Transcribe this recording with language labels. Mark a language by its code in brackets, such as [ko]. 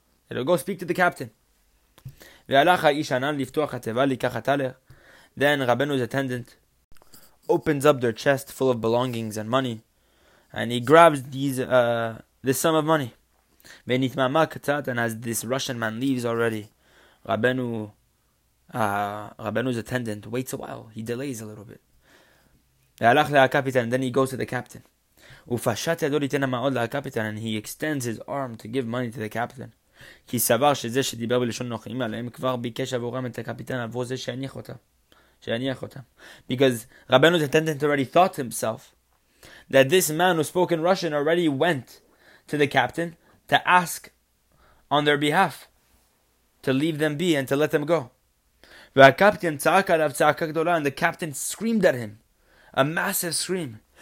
[en] He'll go speak to the captain. Then Rabenu's attendant opens up their chest full of belongings and money, and he grabs this sum of money. And as this Russian man leaves already, Rabenu's attendant waits a while. He delays a little bit. Then he goes to the captain. [he] ופשט ידו ליתן המעוד לקפיטן, [en] and he extends his arm to give money to the captain. [he] כי סבר שזה שדיבר בלשון נוחים עליהם כבר ביקש עבורם את הקפיטן עבור זה שיניח אותה. [en] Because Rabbeinu's attendant already thought to himself that this man who spoke in Russian already went to the captain to ask on their behalf to leave them be and to let them go. And the captain screamed at him, a massive scream.